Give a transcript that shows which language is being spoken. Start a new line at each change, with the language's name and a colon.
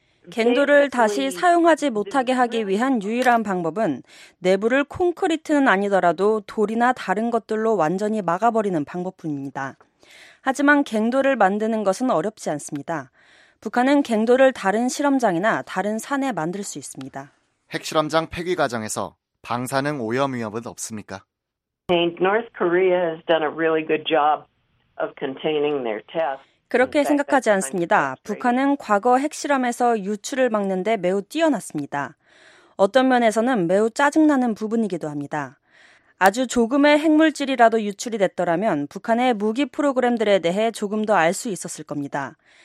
Korean: 갱도를 다시 사용하지 못하게 하기 위한 유일한 방법은 내부를 콘크리트는 아니더라도 돌이나 다른 것들로 완전히 막아버리는 방법뿐입니다. 하지만 갱도를 만드는 것은 어렵지 않습니다. 북한은 갱도를 다른 실험장이나 다른 산에 만들 수 있습니다. 핵실험장 폐기 과정에서 방사능 오염 위험은 없습니까?
English: North Korea has done a really good job of containing their tests.
Korean: 그렇게 생각하지 않습니다. 북한은 과거 핵실험에서 유출을 막는 데 매우 뛰어났습니다. 어떤 면에서는 매우 짜증나는 부분이기도 합니다. 아주 조금의 핵물질이라도 유출이 됐더라면 북한의 무기 프로그램들에 대해 조금 더 알 수 있었을 겁니다.